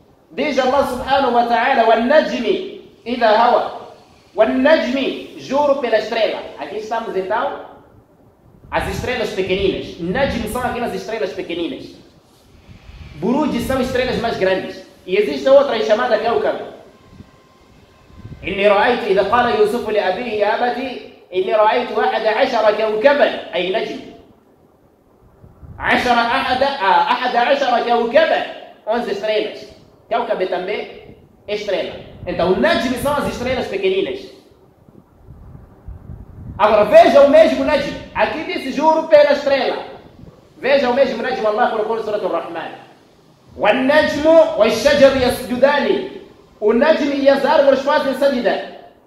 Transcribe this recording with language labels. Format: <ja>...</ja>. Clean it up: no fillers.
<pt>Diz Allah subhanahu wa ta'ala,</pt> <ar>وَالنَّجْمِ إِذَا هَوَى وَالنَّجْمِ</ar> <pt>juro pela estrela. Aqui estamos então, as estrelas pequeninas. Najmi são aquelas estrelas pequeninas. Buruj são estrelas mais grandes. E existe outra chamada Kaukab.</pt> <ar>إِنِّي رَأَيْتُ إِذَا قَالَ يُوسُفُ لِأَبِيهِ يَا أَبَتِي إِنِّي رَأَيْتُ أَحَدَ عَشَرَ كَوْكَبًا أي نجم عشرة أحد عشرة كوكبا</ar> <pt>11 estrelas. كوكب também estrela. Então, najmi são as estrelas pequeninas. Agora, veja o mesmo najmi. Aqui diz, juro pela estrela. Veja o mesmo najmi. Allah colocou na Surah Al-Rahman.</pt> <ar>وَالنَّجْمُ وَالشَّجَرُ يَسْجُدَانِ</ar> <pt>O najmi e as árvores fazem sajda.</pt>